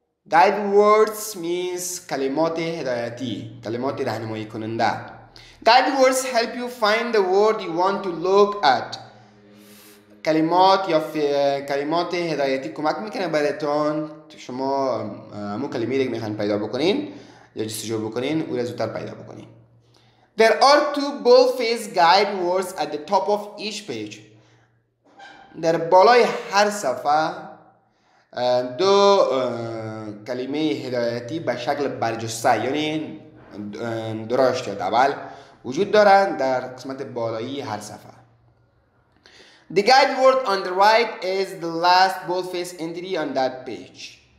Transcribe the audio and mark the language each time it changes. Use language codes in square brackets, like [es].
[en] guide words means [fa] کلمات هدایتی, کلمات راهنمایی کننده. [en] Guide words help you find the word you want to look at. [fa] کلمات یا کلمات هدایتی کمک میکنه برتون شما مو کلمه ای میخواین پیدا بکنین یا جستجو بکنین او را زودتر پیدا بکنین. [en] There are two boldface guide words at the top of each page. [fa] در بالای هر صفحه دو کلمه هدایتی به شکل برجسته, یعنی درشت یا دبل وجود دارن در قسمت بالایی هر صفحه. [en] The guide word on the right is the last boldface entry on that page.